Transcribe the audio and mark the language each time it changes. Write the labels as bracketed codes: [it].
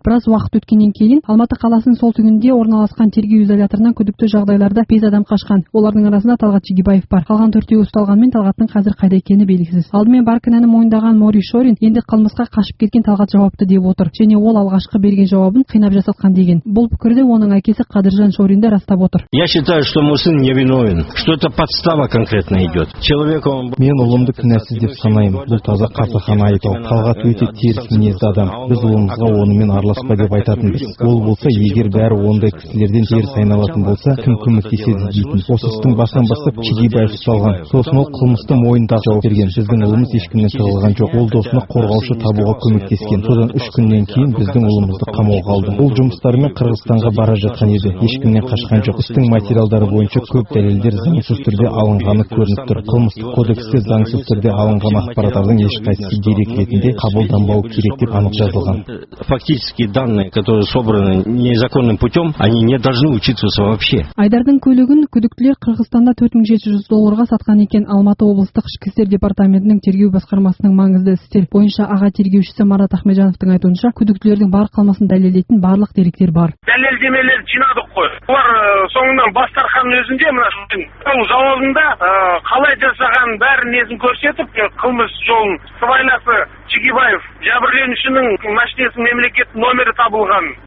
[kk] Біраз уақыт өткеннен кейін Алматы қаласының солтүстігінде орналасқан тергеу изоляторынан күдікті жағдайларда 5 адам қашқан. Олардың арасында Талғат Шегебаев бар. Қалған 4-і ұсталғанмен Талғаттың қазір қайда екені белгісіз. Алдымен бар кінәні мойындаған Мори Шорин енді қылмысқа қашып кеткен Талғат жауапты деп отыр, және ол алғашқы берген жауабын қинап жасатқан деген. Бұл пікірді оның әкесі Қадыржан Шоринде растап отыр. [ru] Я считаю, что мой сын невиновен. Что-то подстава конкретно идет. [kk] Мен ұлымды кінәсіз деп санаймын. Бұл таза қасақана айтау. Талғат өте теріс мінезді адам. Біз ұлымызға онымен араласпа деп айтатынбыз. Ол болса, егер бәрі ондай кісілерден теріс айналатын болса, кім көмектеседі дейтін. Осы істің басынан бастап Шегебаев ұсталған. Сосын ол қылмысты мойындап жауап берген. Біздің ұлымыз ешкімнен сырылған жоқ. Ол досына қорғаушы табуға көмектескен. Содан 3 күннен кейін біздің ұлымызды қамауға алды. Бұл жұмыстармен Қырғызстанға бара жатқан еді. Ешкімнен қашқан жоқ. Істің материалдары бойынша көп дәлелдер заңсыз түрде алынғаны көрініп тұр. Қылмыстық кодексте заңсыз түрде алынған ақпараттардың ешқайсысы дерек ретінде қабылданбауы керек деп анық жазылған. [ru] Фактически данные, которые собраны незаконным путем, они не должны учитываться вообще. [kk] Айдардың көлігін күдіктілер Қырғызстанда 4700 долларға сатқан екен. Алматы облыстық ішкі істер департаментінің тергеу басқармасының маңызды істер бойынша аға тергеушісі Марат Ахмеджановтың айтуынша, күдіктілердің бар қылмысын дәлелдейтін барлық деректер бар. Дәлелдемелерді жинадық қой. Олар соңынан бастарханның өзінде мына шың жауабында қалай жасаған бәрін өзін көрсетіп қылмыс жолын сыбайласы Чигибаев жәбірленушінің машинесінің мемлекет номері табылған.